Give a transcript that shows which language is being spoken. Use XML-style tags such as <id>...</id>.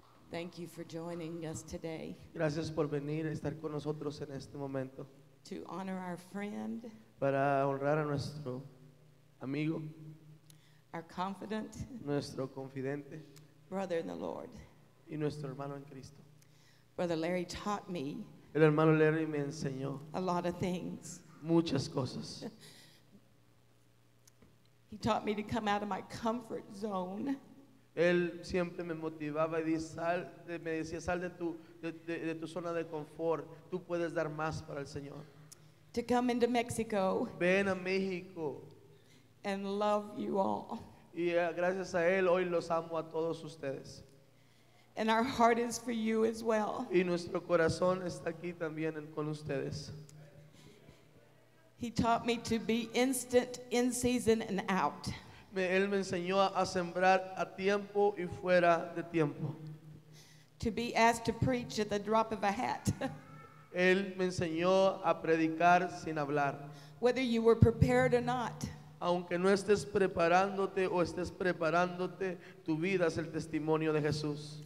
<en>Thank you for joining us today.</en> <es>Gracias por venir a estar con nosotros en este momento.</es> <en>To honor our friend.</en> <es>Para honrar a nuestro amigo.</es> <en>Our confidant.</en> <es>Nuestro confidente.</es> <en>Brother in the Lord.</en> <es>Y nuestro hermano en Cristo.</es> <en>Brother Larry taught me.</en> <es>El hermano Larry me enseñó.</es> <en>A lot of things.</en> <es>Muchas cosas.</es> <en>He taught me to come out of my comfort zone.</en> <es>Él siempre me motivaba y me decía, sal de tu zona de confort. Tú puedes dar más para el Señor.</es> <en>To come into Mexico.</en> <es>Ven a México.</es> <en>And love you all.</en> <es>Y gracias a Él, hoy los amo a todos ustedes.</es> <en>And our heart is for you as well.</en> <es>Y nuestro corazón está aquí también con ustedes.</es> <en>He taught me to be instant, in season and out.</en> <es>Él me enseñó a sembrar a tiempo y fuera de tiempo.</es> <en>To be asked to preach at the drop of a hat.</en> <es>Él me enseñó a predicar sin hablar.</es> <en>Whether you were prepared or not.</en> <es>Aunque no estés preparándote o estés preparándote, tu vida es el testimonio de Jesús.</es>